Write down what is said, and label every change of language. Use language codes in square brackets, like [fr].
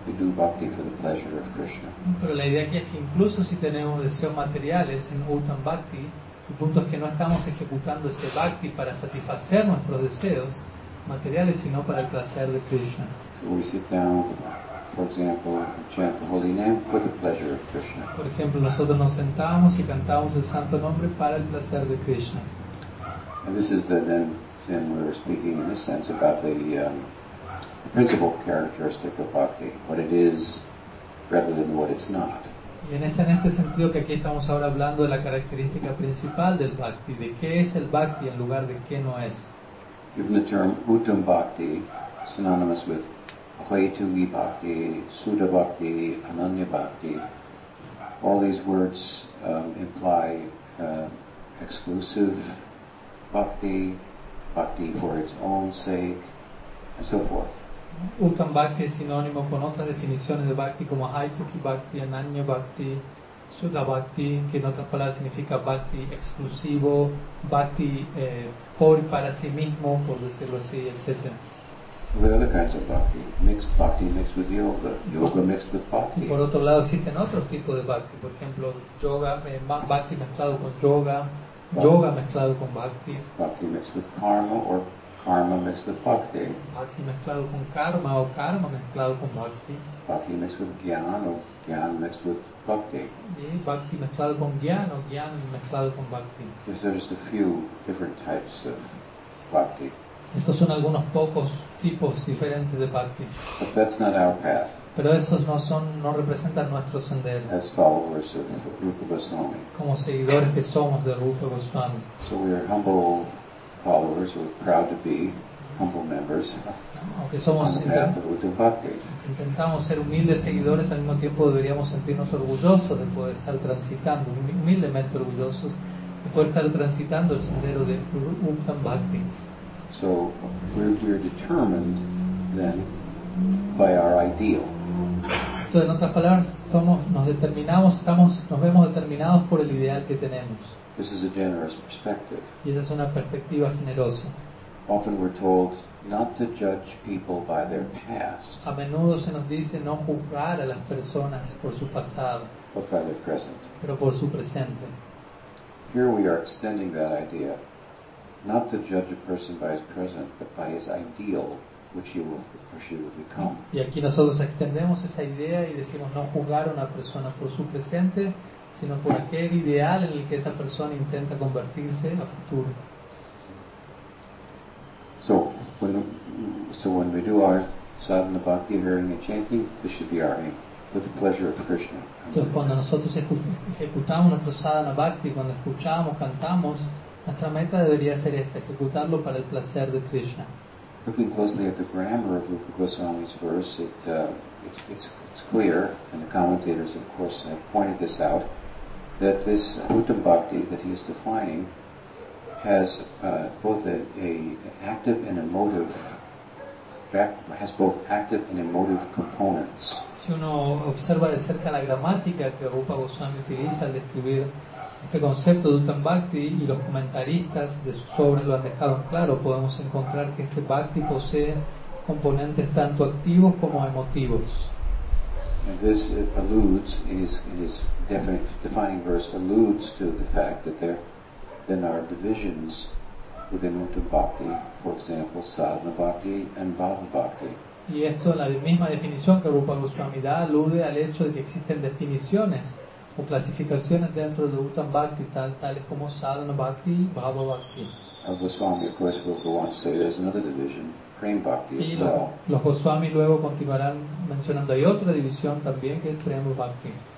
[en] We do bhakti for the pleasure of Krishna. [es] Pero la idea aquí es que incluso si tenemos deseos materiales en Uttam Bhakti, el punto es que no estamos ejecutando ese bhakti para satisfacer nuestros deseos materiales, sino para el placer de Krishna. [en] So we sit down, for example, and chant the holy name for the pleasure of Krishna. [es] Por ejemplo, nosotros nos sentamos y cantamos el santo nombre para el placer de Krishna. [en] And this is then we're speaking in a sense about the principal characteristic of bhakti, what it is rather than what it's not. [es] Y en este sentido que aquí estamos ahora hablando de la característica principal del bhakti, de qué es el bhakti en lugar de qué no es. [en] Given the term Uttam Bhakti, synonymous with Kaitugi Bhakti, Sudha Bhakti, Ananya Bhakti, all these words imply exclusive bhakti, bhakti for its own sake, and so forth. [es] Uttam Bhakti es sinónimo con otras definiciones de bhakti como Haituki Bhakti, Ananya Bhakti, Sudha Bhakti, que en otras palabras significa bhakti exclusivo, bhakti por y para sí mismo, por decirlo así, etc. [en] Well, there are other kinds of bhakti. Mixed bhakti mixed with yoga. Yoga mixed with bhakti. [es] Y por otro lado existen otros tipos de bhakti. Por ejemplo, yoga, bhakti mezclado con yoga, yoga mezclado con bhakti. [en] Bhakti mixed with karma or karma mixed with bhakti. [es] Bhakti mezclado con karma o karma mezclado con bhakti. [en] Bhakti mixed with jnana or jnana mixed with bhakti. [es] Bhakti mezclado con jnana o jnana mezclado con bhakti. [en] These are just a few different types of bhakti. [es] Estos son algunos pocos tipos diferentes de bhakti. [en] But that's not our path. [es] Pero esos no representan nuestro sendero. [en] As followers of Rupa Goswami. [es] Como seguidores que somos de Rupa Goswami. [en] So we are humble followers, we're proud to be. humble members, [es] aunque somos intentamos ser humildes seguidores, al mismo tiempo deberíamos sentirnos orgullosos de poder estar transitando, humildemente orgullosos de poder estar transitando el sendero de Uttam Bhakti. [en] So we're determined then by our ideal. [es] Entonces, en otras palabras, nos vemos determinados por el ideal que tenemos. [en] This is a generous perspective. [es] Y esa es una perspectiva generosa. [en] Often we're told not to judge people by their past. [es] A menudo se nos dice no juzgar a las personas por su pasado. [en] But by their present. [es] Pero por su presente. [en] Here we are extending that idea, not to judge a person by his present, but by his ideal, which he will or she will become. [es] Y aquí nosotros extendemos esa idea y decimos no juzgar a una persona por su presente, sino por aquel ideal en el que esa persona intenta convertirse a futuro. [en] So when we do our sadhana bhakti, hearing and chanting, this should be our aim, with the pleasure of Krishna. [es] Entonces, cuando nosotros ejecutamos nuestro sadhana bhakti, cuando escuchamos, cantamos, nuestra meta debería ser esta, ejecutarlo para el placer de Krishna. [en] Looking closely at the grammar of Rupa Goswami's verse, it's clear, and the commentators of course have pointed this out, that this Uttam Bhakti that he is defining has both an active and emotive, has both active and emotive components. [es] Si uno observa de cerca la gramática que Rupa Goswami utiliza al describir este concepto de Uttam Bhakti, y los comentaristas de sus obras lo han dejado claro, podemos encontrar que este Bhakti posee componentes tanto activos como emotivos. [en] And this alludes, in his defining verse, alludes to the fact that there are divisions within Uttam Bhakti, for example, Sadhana Bhakti and Bhava Bhakti. [es] Y esto, la misma definición que Rupa Goswami da, alude al hecho de que existen definiciones o clasificaciones dentro de Uttam Bhakti, tales como Sadhana Bhakti y Bhava Bhakti. [en] Goswami, of course, will go on to say there's another division, Prem Bhakti. [es] Y los Goswami luego continuarán mencionando hay otra división también, que es Prem Bhakti.